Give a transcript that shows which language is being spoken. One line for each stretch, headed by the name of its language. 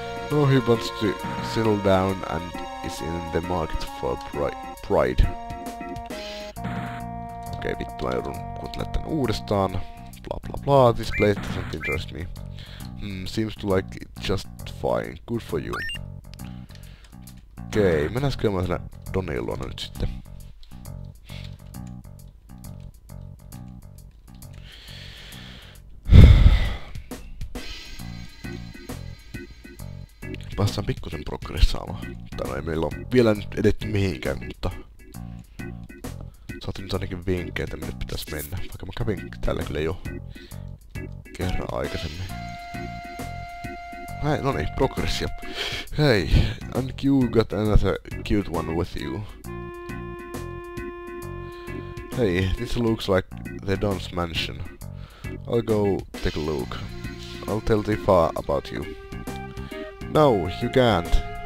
English: No, he wants to settle down and is in the market for pride.
Finnish: Okei, vittu, mä joudun kuuntelemaan tän uudestaan.
English: Blah blah blah, this place doesn't interest me. Seems to like it just fine. Good for you.
Finnish: Okei, mennäs käymään sinä Donnyin luona nyt sitten. Päästään pikkusen progressa saamaan. Tai no ei meillä ole vielä nyt edetty mihinkään, mutta saatiin nyt ainakin vinkkejä, että minne pitäisi mennä. Vaikka mä kävin täällä kyllä jo kerran aikaisemmin. Hei, noniin, progressia.
English: Hei, and you got another cute one with you. Hey, this looks like the Don's mansion. I'll go take a look. I'll tell Tifa about you. No, you can't.